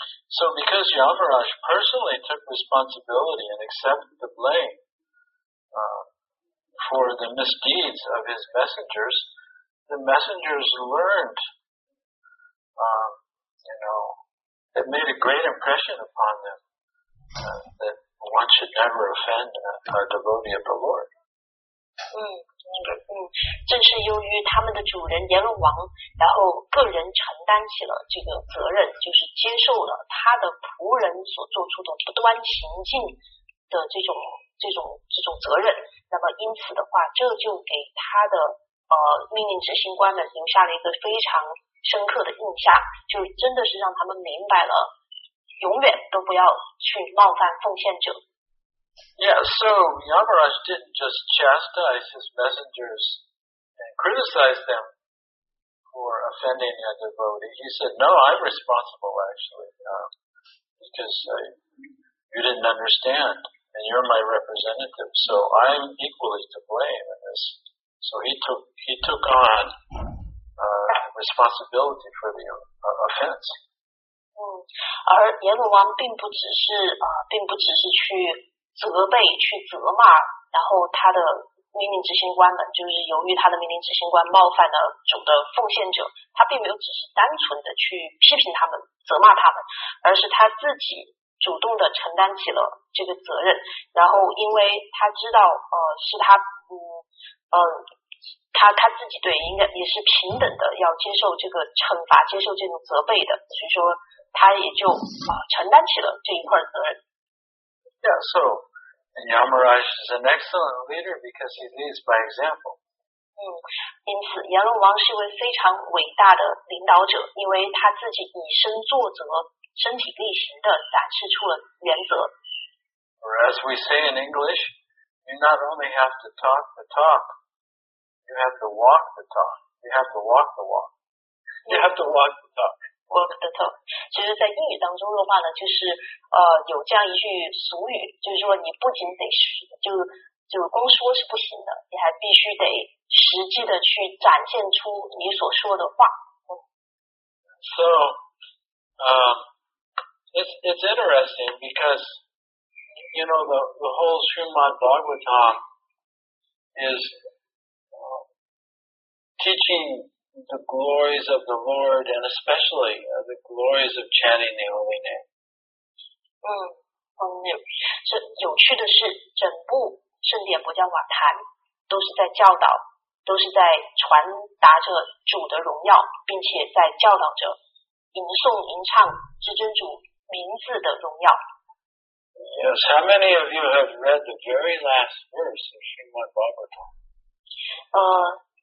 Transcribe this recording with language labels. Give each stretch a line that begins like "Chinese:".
English: So because Yamaraj personally took responsibility and accepted the blame, for the misdeeds of his messengers, the messengers learned, you know, it made a great impression upon them, that one should never offend a devotee of the Lord.
Chinese: 正是由于他们的主人阎罗王，然后个人承担起了这个责任，就是接受了他的仆人所做出的不端行径，的这种责任。那么因此的话，这就给他的命令执行官们留下了一个非常深刻的印象，就真的是让他们明白了，永远都不要去冒犯奉献者。
English: Yeah, so Yamaraj didn't just chastise his messengers and criticize them for offending a devotee. He said, no, I'm responsible actually, because you didn't understand and you're my representative, so I'm equally to blame in this. So he took on responsibility for the offense.
Chinese: 而阎罗王并不只是去责备去责骂然后他的命令执行官们，就是由于他的命令执行官冒犯了主的奉献者，他并没有只是单纯的去批评他们责骂他们，而是他自己主动的承担起了这个责任。然后因为他知道他自己对应该也是平等的要接受这个惩罚，接受这种责备的，所以说他也就承担起了这一块责任。
English: Yeah, so Yamaraj is an excellent leader because he leads by example.
Chinese: 因此阎罗王是一位非常伟大的领导者，因为他自己以身作则，身体力行的展示出了原则。
English: Or as we say in English, you not only have to talk the talk, you have to walk the talk. You have to walk the walk. You have to walk the talk. Walk the talk.
Chinese: 其实在英语当中的话呢，就是有这样一句俗语，就是说你不仅得就光说是不行的，你还必须得实际的去展现出你所说的话。
English: So, it's interesting because, you know, the whole Srimad Bhagavatam is teaching the glories of the Lord, and especially the glories of chanting the holy name.
Chinese: 有趣的是，整部圣典不叫瓦坛，都是在教导，都是在传达着主的荣耀，并且在教导着吟诵吟唱至尊主名字的荣耀。
English: Yes, how many of you have read the very last verse of Srimad Bhagavatam?